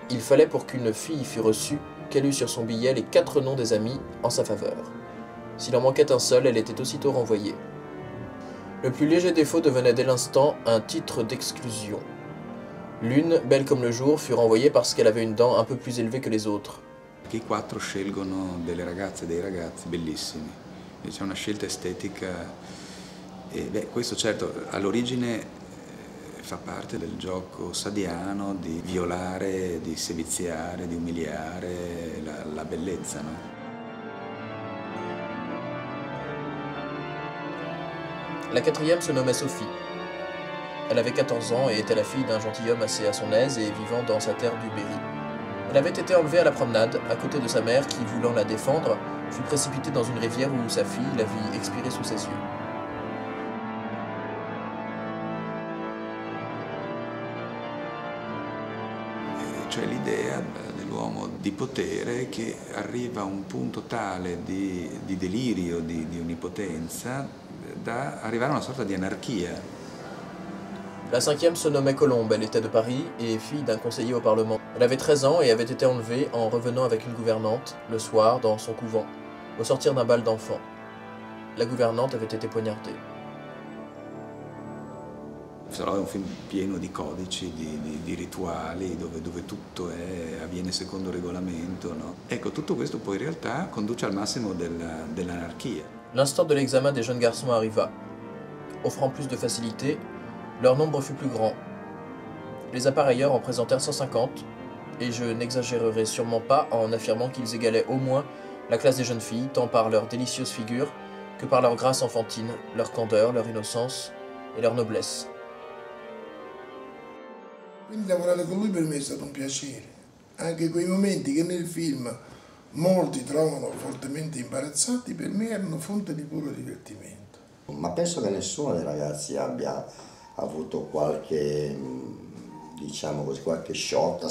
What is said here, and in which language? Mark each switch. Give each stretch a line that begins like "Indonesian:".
French: Il fallait pour qu'une fille fût reçue qu'elle eût sur son billet les quatre noms des amis en sa faveur. S'il en manquait un seul, elle était aussitôt renvoyée. Le plus léger défaut devenait dès l'instant un titre d'exclusion. L'une, belle comme le jour, fut renvoyée parce qu'elle avait une dent un peu plus élevée que les autres.
Italian: I quattro scelgono delle ragazze e dei ragazzi bellissimi. C'è una scelta estetica. E beh, questo certo all'origine fa parte del gioco sadiano di violare, di seviziare, di umiliare la bellezza, no?
French: La quatrième se nommait Sophie. Elle avait 14 ans et était la fille d'un gentilhomme assez à son aise et vivant dans sa terre du Berry. Elle avait été enlevée à la promenade, à côté de sa mère qui, voulant la défendre, fut précipitée dans une rivière où sa fille la vit expirer sous ses yeux.
Italian: Cioè l'idea dell'uomo di potere che arriva a un punto tale di delirio, di onnipotenza, da arrivare a una sorta di anarchia.
French: La cinquième se nommait Colombe, elle était de Paris et fille d'un conseiller au Parlement. Elle avait 13 ans et avait été enlevée en revenant avec une gouvernante, le soir, dans son couvent, au sortir d'un bal d'enfants. La gouvernante avait été poignardée.
Italian: Sarà un film pieno di codici, di rituali, dove tutto avviene secondo regolamento, no? Ecco, tutto questo poi in realtà conduce al massimo dell'anarchia.
French: L'instant de l'examen des jeunes garçons arriva. Offrant plus de facilité, leur nombre fut plus grand. Les appareilleurs en présentèrent 150, et je n'exagérerai sûrement pas en affirmant qu'ils égalaient au moins la classe des jeunes filles, tant par leur délicieuse figure que par leur grâce enfantine, leur candeur, leur innocence et leur noblesse.
Italian: Quindi lavorare con lui per me è stato un piacere. Anche quei momenti che nel film molti trovano fortemente imbarazzati, per me erano fonte di puro divertimento. Ma penso che nessuno dei ragazzi abbia avuto qualche, diciamo così, qualche shock.